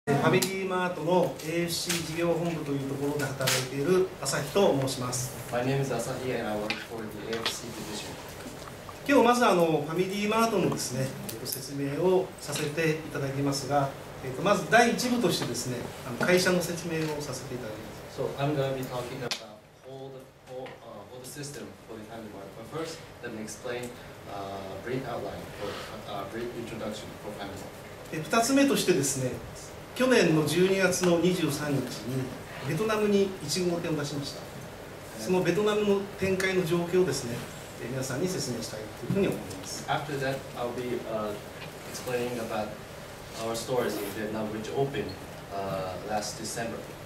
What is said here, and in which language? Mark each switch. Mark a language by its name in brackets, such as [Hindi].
[Japanese] ファミリーマートの AFC 事業本部というところで働いている朝日と申します。 [English] My name is Asahi and I work for the AFC division。 [Japanese] 今日まずファミリーマートのですね、説明をさせていただきますが、まず第一部としてですね、会社の説明をさせていただきます。 [English] So I'm going to be talking about whole system for the family mart. But first, let me explain a brief outline for a brief introduction for family mart. [Japanese] 2つ目としてですね、去年の12月の23日にベトナムに1号店を出しました。そのベトナムの展開の状況をですね、皆さんに説明したいというふうに思います。 [English] After that, I'll be explaining about our stores in Vietnam which opened last December.